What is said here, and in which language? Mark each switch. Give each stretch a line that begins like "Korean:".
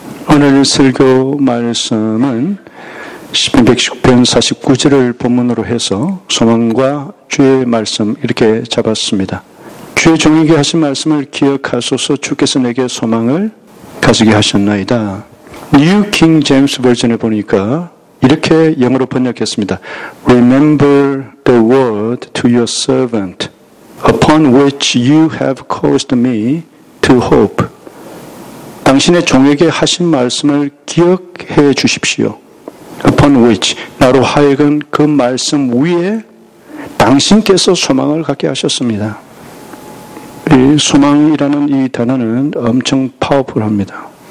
Korean: 오늘 설교 말씀은 시편 119편 49절을 본문으로 해서 소망과 주의 말씀 이렇게 잡았습니다. 주의 종에게 하신 말씀을 기억하소서. 주께서 내게 소망을 가지게 하셨나이다. New King James Version에 보니까 이렇게 영어로 번역했습니다.
English: Remember the word to your servant upon which you have caused me to hope.
Korean: 당신의 종에게 하신 말씀을 기억해 주십시오.
English: Upon which,
Korean: 나로 하여금 그 말씀 위에 당신께서 소망을 갖게 하셨습니다. 이 소망이라는 이 단어는 엄청 파워풀합니다.